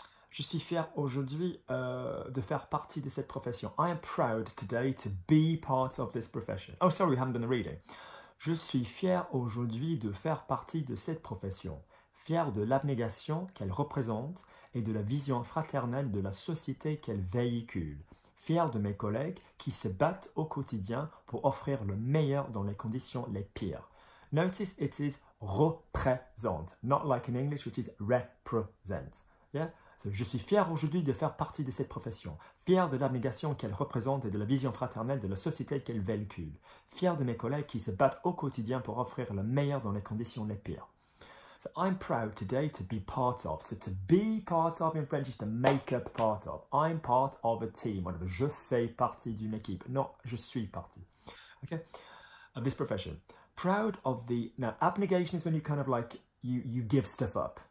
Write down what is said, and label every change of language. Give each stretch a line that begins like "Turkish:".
French: Je suis fier aujourd'hui de faire partie de cette profession.
English: I am proud today to be part of this profession. Oh, sorry, we haven't done the reading.
French: Je suis fier aujourd'hui de faire partie de cette profession. Fier de l'abnégation qu'elle représente et de la vision fraternelle de la société qu'elle véhicule. Fier de mes collègues qui se battent au quotidien pour offrir le meilleur dans les conditions les pires.
English: Notice it is représente, not like in English, which is represent. Yeah?
French: So, je suis fier aujourd'hui de faire partie de cette profession. Fier de l'abnégation qu'elle représente et de la vision fraternelle de la société qu'elle véhicule. Fier de mes collègues qui se battent au quotidien pour offrir le meilleur dans les conditions les pires.
English: So, I'm proud today to be part of. So, to be part of in French is to make up part of. I'm part of a team. Whatever.
French: Je fais partie d'une équipe. Non, je suis partie.
English: Okay? of this profession. Proud of the, now abnegation is when you kind of like, you give stuff up.